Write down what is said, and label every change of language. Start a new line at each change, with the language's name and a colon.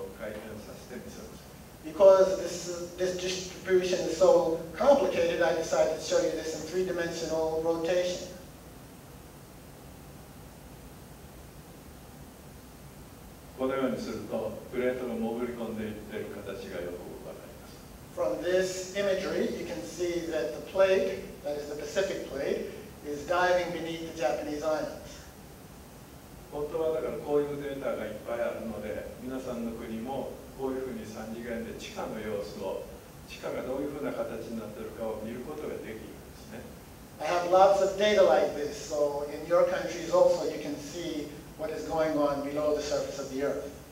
Japanese: で、この日本の地震の分布非常に複雑なので、ここでその3次元でのにこれを回転させてみせます。
English: Because this distribution is so complicated, I decided to show you this in three-dimensional rotation.
Japanese: このようにすると、プレートが潜り込んでいっている形がよくわかります。
English: From this imagery, you can see that the plate, that is the Pacific plate, is diving beneath the Japanese islands.
Japanese: 本当はだからこういうデータがいっぱいあるので、皆さんの国もこういうふうに3次元で地下の様子を、地下がどういうふうな形になっているかを見ることができるんですね。
English: I have lots of data like this, so in your countries also you can see what is going on below the surface of the earth.